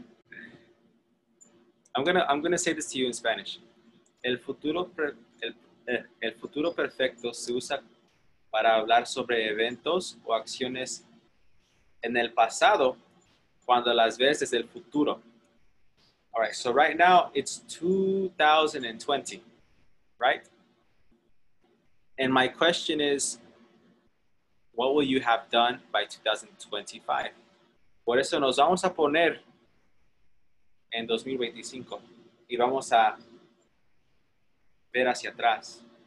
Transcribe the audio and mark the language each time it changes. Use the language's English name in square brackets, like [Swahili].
[English] Hey, I'm gonna say this to you in Spanish. [Spanish] El futuro perfecto se usa para hablar sobre eventos o acciones en el pasado cuando las ves desde el futuro. [English] All right, so right now it's 2020, right? And my question is, what will you have done by 2025? [Spanish] Por eso nos vamos a poner en 2025 y vamos a ver hacia atrás.